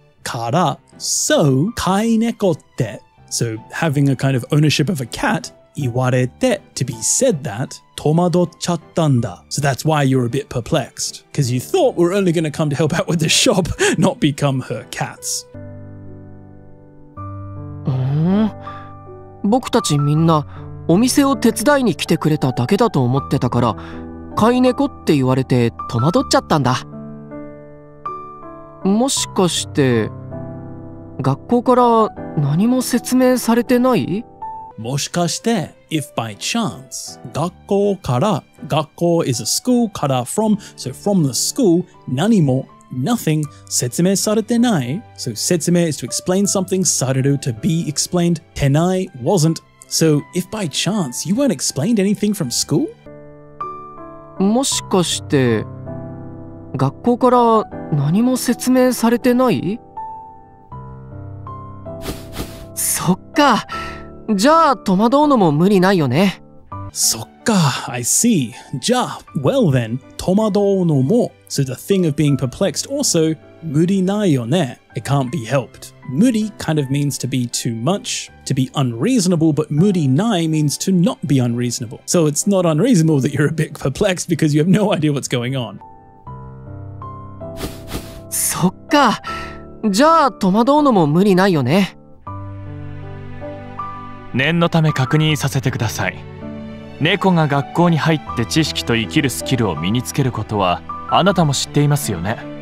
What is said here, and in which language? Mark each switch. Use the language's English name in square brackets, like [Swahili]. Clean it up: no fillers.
[English] から、so, [Japanese] 飼い猫って、 [English] so having a kind of ownership of a cat,言われて、to be said that, [Japanese] 戸惑っちゃったんだ。 [English] So that's why you're a bit perplexed. Because you thought we're only going to come to help out with the shop, not become her cats. [Japanese] 僕たちみんな、お店を手伝いに来てくれただけだと思ってたから、飼い猫って言われて戸惑っちゃったんだ。もしかして、学校から何も説明されてない？もしかして、 [English] if by chance, 学校から、学校 is a school, から from, so from the school, 何も、nothing, [Japanese] 説明されてない。 [English] So 説明 is to explain something, される to be explained, てない wasn't. So if by chance, you weren't explained anything from school? [Japanese] もしかして、学校から何も説明されてない？そっか。じゃあ戸惑うのも無理ないよね。 [English] そっか、I see. じゃあ、well then, [Japanese] 戸惑うのも、 [English] so the thing of being perplexed also, [Japanese] 無理ないよね。 [English] It can't be helped. 無理 kind of means to be too much, to be unreasonable, but 無理ない means to not be unreasonable. So it's not unreasonable that you're a bit perplexed because you have no idea what's going on. [Japanese] そっか、じゃあ戸惑うのも無理ないよね。念のため確認させてください。猫が学校に入って知識と生きるスキルを身につけることはあなたも知っていますよね。